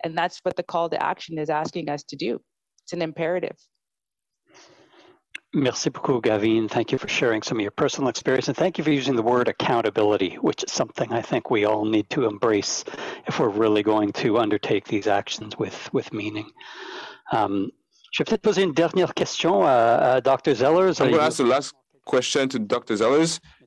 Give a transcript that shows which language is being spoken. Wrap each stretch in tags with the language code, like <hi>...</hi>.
<en>And that's what the call to action is asking us to do. It's an imperative.</en> <fr>Merci beaucoup, Gavin.</fr> <en>Thank you for sharing some of your personal experience. And thank you for using the word accountability, which is something I think we all need to embrace if we're really going to undertake these actions with meaning.</en> <fr>Je vais poser une dernière question à Dr. Zellers.</fr> <en>I'm going to ask the last question to Dr. Zellers.</en>